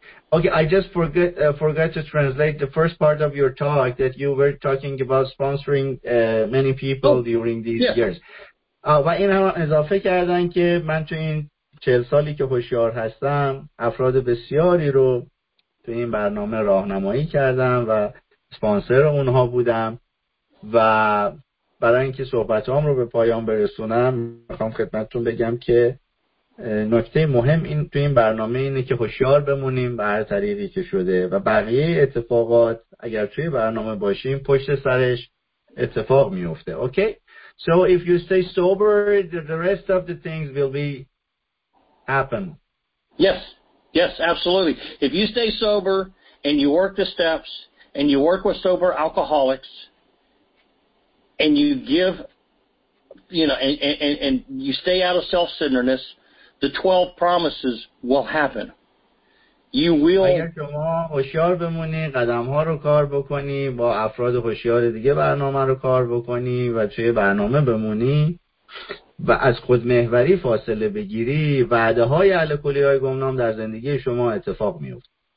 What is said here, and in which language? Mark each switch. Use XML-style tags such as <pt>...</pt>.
<en>Okay, I just forgot to translate the first part of your talk that you were talking about sponsoring many people during these years.</en> <fa>و این هم اضافه کردن که من تو این 40 سالی که هوشیار هستم افراد بسیاری رو تو این برنامه راهنمایی کردم و سپانسر اونها بودم و برای اینکه صحبتام رو به پایان برسونم میخوام خدمتتون بگم که نکته مهم این تو این برنامه اینه که هوشیار بمونیم به هر طریقی که شده و بقیه اتفاقات اگر توی برنامه باشیم پشت سرش اتفاق میفته.</fa> <en>Okay? So if you stay sober, the rest of the things will be happen. Yes, absolutely. If you stay sober and you work the steps and you work with sober alcoholics and you give, you know, and you stay out of self-centeredness, the 12 promises will happen. You will.</en> <fa>اگر شما هوشیار بمونی، قدم‌ها رو کار بکنی، با افراد هوشیار دیگه برنامه رو کار بکنی و توی برنامه بمونی و از خودمحوری فاصله بگیری، وعده‌های الکلی‌های گمنام در زندگی شما اتفاق می‌افته.</fa>